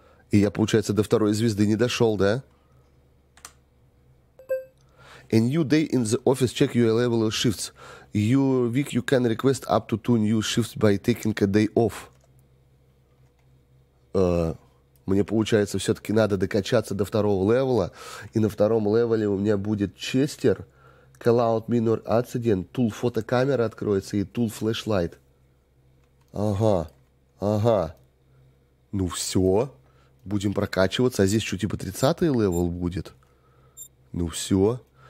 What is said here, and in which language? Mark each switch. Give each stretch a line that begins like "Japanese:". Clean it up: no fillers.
Russian: И я, получается, до второй звезды не дошел, да?
English: A new day in the office. Check your level of shifts. Your week you can request up to 2 new shifts by taking a day off.
Russian: Мне, получается, все-таки надо докачаться до второго левела. И на втором левеле у меня будет Chester,
English: Call out minor accident,
Russian: tool фотокамера откроется и tool flashlight. Ага. Ну все, будем прокачиваться. А здесь что, типа 30-й левел будет? Ну все.